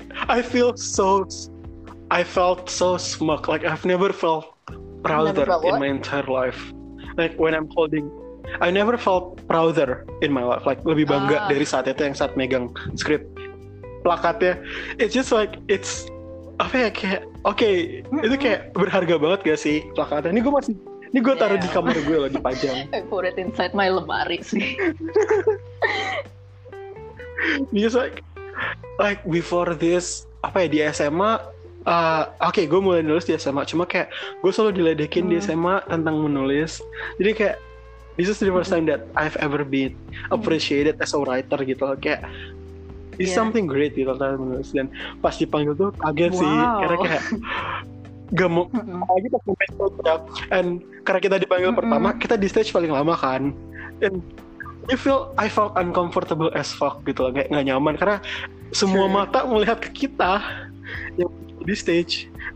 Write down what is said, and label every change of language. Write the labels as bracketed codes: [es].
[en] I felt so smug. Like I've never felt prouder in my entire life. Like when I'm holding I never felt prouder in my life. [id] Like lebih bangga dari saat itu yang saat megang skrip plakatnya. [en] It's just like it's [id] apa ya kayak okay, itu kayak berharga banget gak sih plakatnya? Ini gue masih, ini gue taruh di kamar gue lagi dipajang. [en] I put it inside my [id] lemari sih. [en] Just like before this [id] apa ya di SMA. Okay, gue mulai nulis di SMA. Cuma kayak gue selalu diledekin di SMA tentang menulis. Jadi kayak [en] this is the first time that I've ever been appreciated as a writer [id] gitu. Kayak [en] it's something great [id] gitu tentang menulis. Dan pas dipanggil tuh kaget sih. Karena kayak gemuk. Lagi pas dipanggil tuh. And karena kita dipanggil pertama, kita di stage paling lama kan. And [en] I felt uncomfortable as fuck [id] gitu. Kayak gak nyaman karena semua mata melihat ke kita di stage.